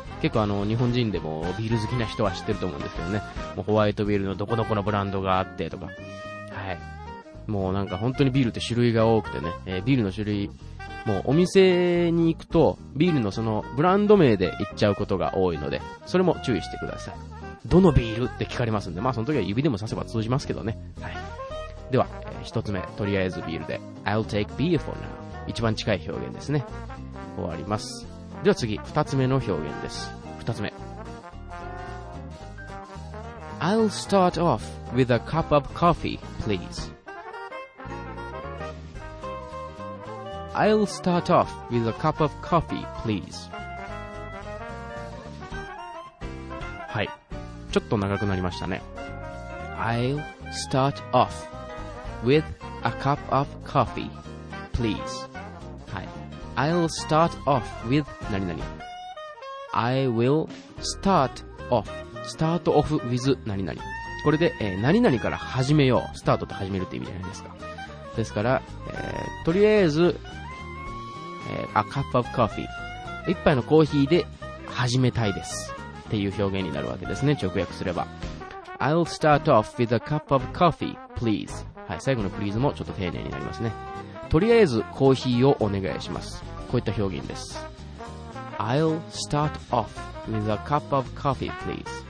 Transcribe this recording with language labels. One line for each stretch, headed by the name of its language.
Japanese: 結構日本人でもビール好きな人は知ってると思うんですけどね、もうホワイトビールのどこどこのブランドがあってとか、はい、もうなんか本当にビールって種類が多くてね、ビールの種類もうお店に行くとビールのそのブランド名で行っちゃうことが多いので、それも注意してください。どのビールって聞かれますんで、まあその時は指でも刺せば通じますけどね。はい、では、一つ目とりあえずビールで、
English: I'll take beer for now、
Japanese: 一番近い表現ですね。終わります。では次、二つ目の表現です。二つ目、
English: I'll start off with a cup of coffee, please、 I'll start off with a cup of coffee, please。
Japanese: ちょっと長くなりましたね。
English: I'll start off with a cup of coffee, please.
Japanese: はい。
English: I'll start off with
Japanese: 何々。
English: I will start off. Start off with
Japanese: 何々。これで、何々から始めよう。スタートって始めるって意味じゃないですか。ですから、とりあえず、
English: a cup of coffee.
Japanese: 一杯のコーヒーで始めたいです。っていう表現になるわけですね。直訳すれば。
English: I'll start off with a cup of coffee, please.
Japanese: はい、最後のプリーズもちょっと丁寧になりますね。とりあえずコーヒーをお願いします。こういった表現です。
English: I'll start off with a cup of coffee, please.